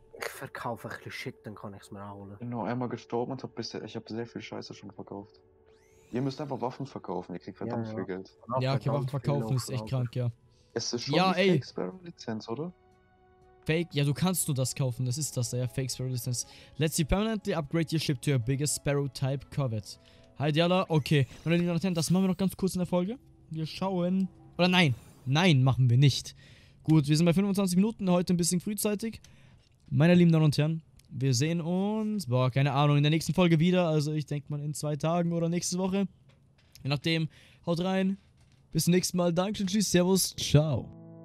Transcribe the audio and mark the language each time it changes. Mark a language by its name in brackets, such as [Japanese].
[German] Ich verkaufe ein bisschen Shit, dann kann ich's mir auch holen. Ich bin nur einmal gestorben und hab sehr viel Scheiße schon verkauft. Ihr müsst einfach Waffen verkaufen, ihr kriegt verdammt viel Geld. Ja, okay, Waffen verkaufen ist echt krank, ja. Es ist schon ja, die Fake Sparrow Lizenz, oder? Fake, ja, du kannst nur das kaufen, das ist das, ja, Fake Sparrow Lizenz. [English] Let's see, permanently upgrade your ship to your biggest Sparrow Type Corvette. Hi Diala, okay. [German] Meine Lieben und Herren, das machen wir noch ganz kurz in der Folge. Wir schauen. Oder nein, nein, machen wir nicht. Gut, wir sind bei 25 Minuten, heute ein bisschen frühzeitig. Meine lieben Damen und Herren, wir sehen uns, boah, keine Ahnung, in der nächsten Folge wieder. Also ich denke mal in 2 Tagen oder nächste Woche. Je nachdem, haut rein. Bis zum nächsten Mal. Dankeschön, tschüss, servus, ciao.